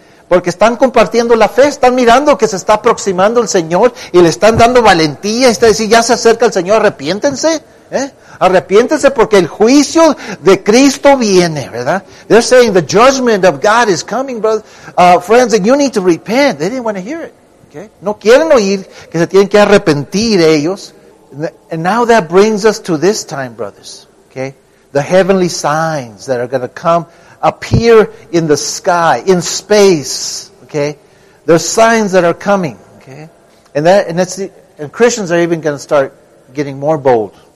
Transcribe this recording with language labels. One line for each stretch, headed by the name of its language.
Spanish: Porque están compartiendo la fe, están mirando que se está aproximando el Señor y le están dando valentía. Está diciendo, ya se acerca el Señor, arrepiéntense. Arrepiéntense porque el juicio de Cristo viene, ¿verdad?
English: They're saying the judgment of God is coming, brother. Friends, and you need to repent. They didn't want to hear it. Okay?
Spanish: No quieren oír que se tienen que arrepentir ellos.
English: And now that brings us to this time, brothers. Okay? The heavenly signs that are going to come appear in the sky, in space. Okay? There's signs that are coming. Okay? And Christians are even going to start getting more bold.